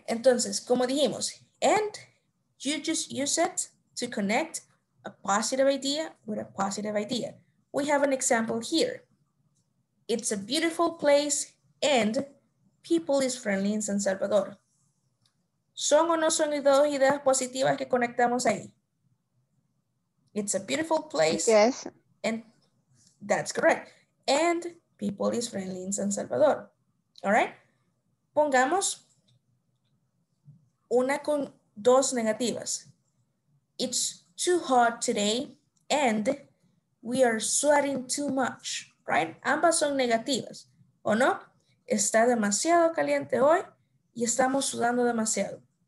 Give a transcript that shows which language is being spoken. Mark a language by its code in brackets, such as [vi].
[es] Entonces, como dijimos, [en] and you just use it to connect a positive idea with a positive idea. We have an example here. It's a beautiful place and people is friendly in San Salvador. [es] ¿Son o no son dos ideas positivas que conectamos ahí? [en] It's a beautiful place. Yes. And that's correct. And people is friendly in San Salvador. All right? [es] Pongamos una con dos negativas. [en] It's too hot today and we are sweating too much. [es] Right? Ambas son negativas. ¿O no? Está demasiado caliente hoy y estamos sudando demasiado.